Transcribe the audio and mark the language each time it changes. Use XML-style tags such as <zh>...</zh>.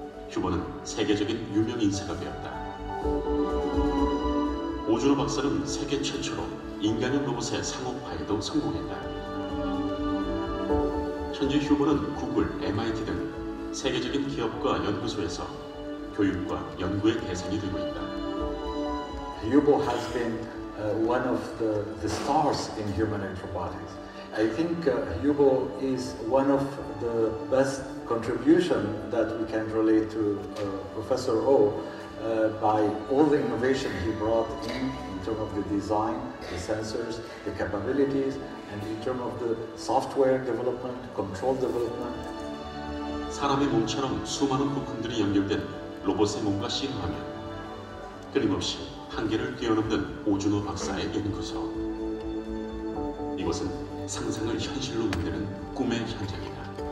<ko>휴머는 세계적인 유명 인사가 되었다. 오준호 박사는 세계 최초로 인간형 로봇의 상업화에도 성공했다. 현재 휴머는 구글, MIT 등 세계적인 기업과 연구소에서 교육과 연구의 대상이 되고 있다.</ko> <en>Hubo has been one of the stars in human and robotics. I think Hubo is one of the best contributions that we can relate to Professor O by all the innovation he brought in terms of the design, the sensors, the capabilities, and in terms of the software development, control development.</en> <ko>사람의 몸처럼 수많은 부품들이 연결된 로봇의 몸과 씨름하며 끊임없이 한계를 뛰어넘는 오준호 박사의 연구소. 이곳은 상상을 현실로 만드는 꿈의 현장이다.</ko>